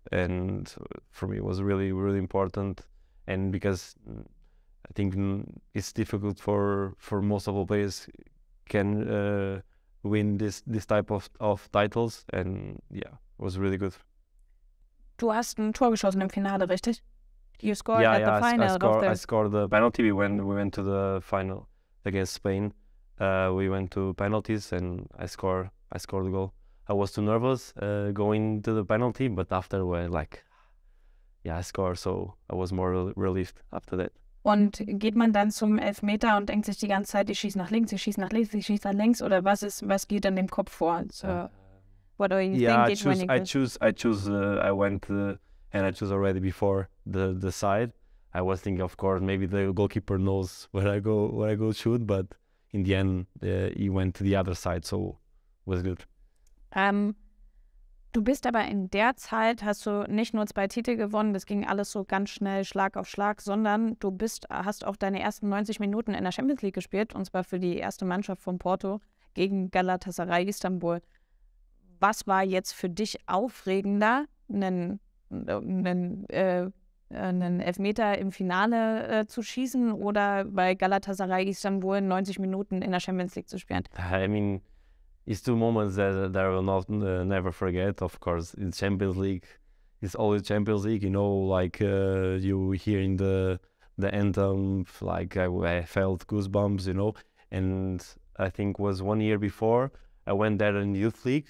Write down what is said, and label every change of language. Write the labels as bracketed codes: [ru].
[en] And for me, it was really, really important. And because I think it's difficult for most of the players can win this type of titles. And yeah, it was really good. [de] Du hast ein Tor geschossen im Finale, richtig? [en] You scored at the final. I scored the penalty. We went to the final against Spain. We went to penalties and I scored the goal. I was too nervous going to the penalty, but after I scored, so I was more relieved after that. [de] Und geht man dann zum Elfmeter und denkt sich die ganze Zeit, ich schieße nach links, ich schieße nach links, ich schieße nach links, oder was geht in dem Kopf vor? [en] So, what do you think? Yeah, I went already before the side. I was thinking, of course, maybe the goalkeeper knows where I go shoot, but in the end, he went to the other side, so it was good. [de] Du bist aber in der Zeit, hast du nicht nur zwei Titel gewonnen, das ging alles so ganz schnell Schlag auf Schlag, sondern du hast auch deine ersten 90 Minuten in der Champions League gespielt, und zwar für die erste Mannschaft von Porto gegen Galatasaray Istanbul. Was war jetzt für dich aufregender, einen Elfmeter im Finale zu schießen oder bei Galatasaray Istanbul 90 Minuten in der Champions League zu spielen? [en] It's two moments that I will not never forget. Of course, in Champions League, it's always Champions League. You know, like you hearing the anthem, like I felt goosebumps. You know, and I think was 1 year before I went there in youth league.